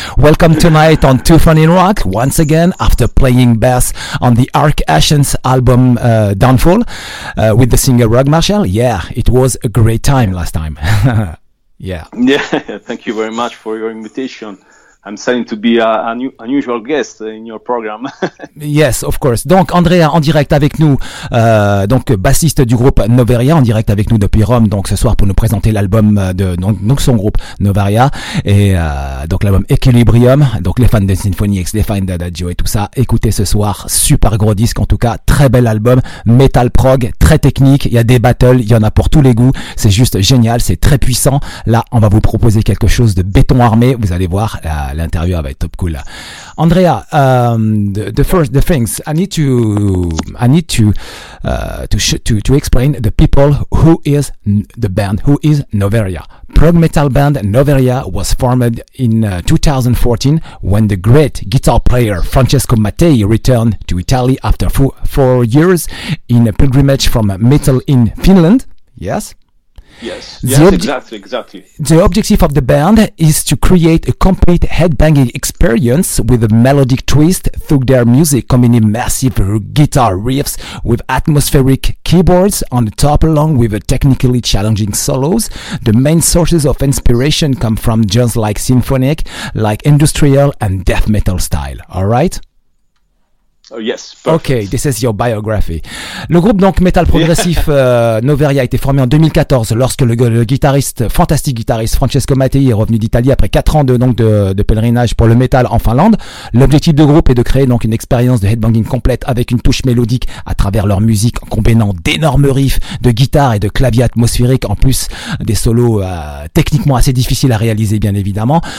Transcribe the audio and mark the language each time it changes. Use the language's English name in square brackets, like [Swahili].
[English] Welcome tonight on Too Funny Rock once again after playing bass on the Arc Ashen's album Downfall with the singer Rug Marshall. Yeah, it was a great time last time. Yeah. Yeah. Thank you very much for your invitation. I'm starting to be an unusual guest in your program. Yes, of course. [French] Donc, Andrea, en direct avec nous, donc bassiste du groupe Novaria, en direct avec nous depuis Rome, donc ce soir pour nous présenter l'album de donc son groupe Novaria et donc l'album Equilibrium. Donc les fans de Symphony X, les fans d'Adagio et tout ça, écoutez ce soir, super gros disque en tout cas, très bel album, metal prog, très technique. Il y a des battles, il y en a pour tous les goûts. C'est juste génial, c'est très puissant. Là, on va vous proposer quelque chose de béton armé. Vous allez voir. L'interview va être top cool. [English] Andrea, I need to explain the people who is the band, who is Novaria. Prog metal band Novaria was formed in 2014 when the great guitar player Francesco Mattei returned to Italy after four years in a pilgrimage from metal in Finland. Yes. Yes, exactly. The objective of the band is to create a complete headbanging experience with a melodic twist through their music, combining massive guitar riffs with atmospheric keyboards on the top, along with a technically challenging solos. The main sources of inspiration come from genres like symphonic, like industrial and death metal style. All right? Oh, yes. Okay, this is your biography. [French] Le groupe donc metal progressif Novaria a été formé en 2014 lorsque le fantastique guitariste Francesco Mattei est revenu d'Italie après 4 ans de pèlerinage pour le metal en Finlande. L'objectif du groupe est de créer donc une expérience de headbanging complète avec une touche mélodique à travers leur musique en combinant d'énormes riffs de guitare et de clavier atmosphérique en plus des solos techniquement assez difficiles à réaliser bien évidemment.